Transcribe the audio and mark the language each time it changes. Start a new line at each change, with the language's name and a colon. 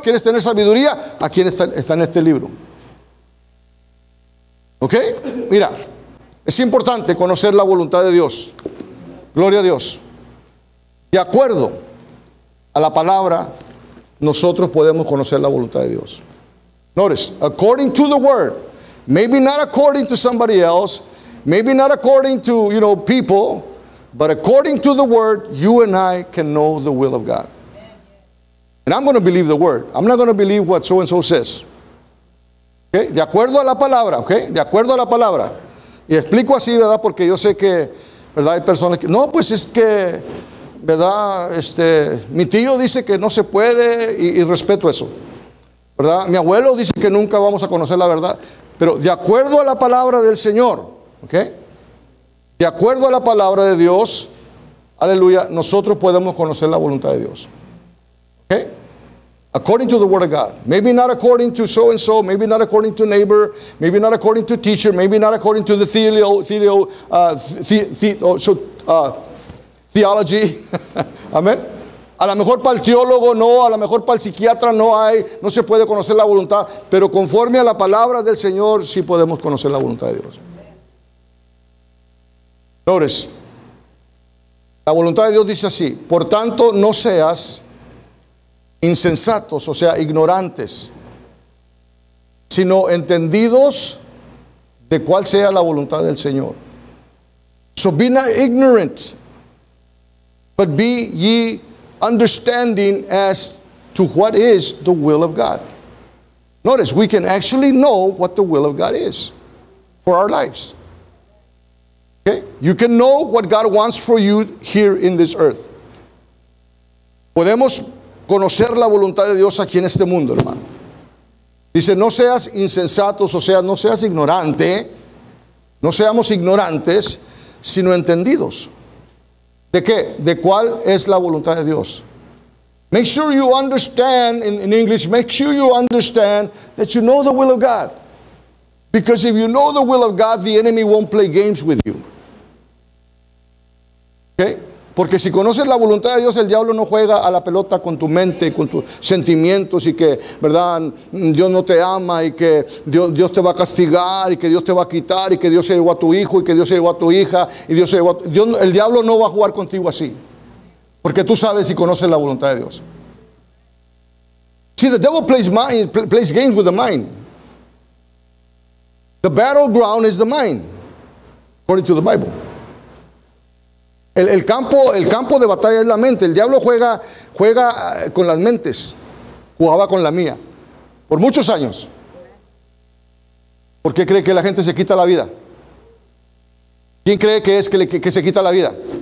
Spanish: ¿Quieres tener sabiduría? Aquí está en este libro. ¿Ok? Mira, es importante conocer la voluntad de Dios. Gloria a Dios. De acuerdo a la palabra, nosotros podemos conocer la voluntad de Dios.
English: Notice, according to the word, maybe not according to somebody else, maybe not according to, you know, people, but according to the word, you and I can know the will of God. And I'm going to believe the word. I'm not going to believe what so and so says.
Spanish: Okay? De acuerdo a la palabra, okay? De acuerdo a la palabra. Y explico así, ¿verdad? Porque yo sé que, ¿verdad? Hay personas que, no, pues es que, ¿verdad? Mi tío dice que no se puede y respeto eso. ¿Verdad? Mi abuelo dice que nunca vamos a conocer la verdad. Pero de acuerdo a la palabra del Señor, okay? De acuerdo a la palabra de Dios, aleluya, nosotros podemos conocer la voluntad de Dios.
English: Okay? According to the word of God. Maybe not according to so and so, maybe not according to neighbor, maybe not according to teacher, maybe not according to the theology. Amen.
Spanish: A lo mejor para el teólogo no, a lo mejor para el psiquiatra no hay, no se puede conocer la voluntad, pero conforme a la palabra del Señor sí podemos conocer la voluntad de Dios. Flores. La voluntad de Dios dice así: "Por tanto, no seas insensatos, o sea, ignorantes, sino entendidos de cuál sea la voluntad del Señor."
English: So be not ignorant, but be ye understanding as to what is the will of God. Notice, we can actually know what the will of God is for our lives. Okay? You can know what God wants for you here in this earth.
Spanish: Podemos conocer la voluntad de Dios aquí en este mundo, hermano. Dice, no seas insensatos, o sea, no seas ignorante. No seamos ignorantes, sino entendidos. ¿De qué? ¿De cuál es la voluntad de Dios?
English: Make sure you understand, in English, make sure you understand that you know the will of God. Because if you know the will of God, the enemy won't play games with you. Okay?
Spanish: Porque si conoces la voluntad de Dios, el diablo no juega a la pelota con tu mente, con tus sentimientos, y que, ¿verdad?, Dios no te ama, y que Dios te va a castigar, y que Dios te va a quitar, y que Dios se llevó a tu hijo, y que Dios se llevó a tu hija, y Dios se llevó a tu... Dios, el diablo no va a jugar contigo así. Porque tú sabes y conoces la voluntad de Dios.
English: See, the devil plays games with the mind. The battleground is the mind, according to the Bible.
Spanish: El campo de batalla es la mente. El diablo juega con las mentes. Jugaba con la mía por muchos años. ¿Por qué cree que la gente se quita la vida? ¿Quién cree que es que se quita la vida?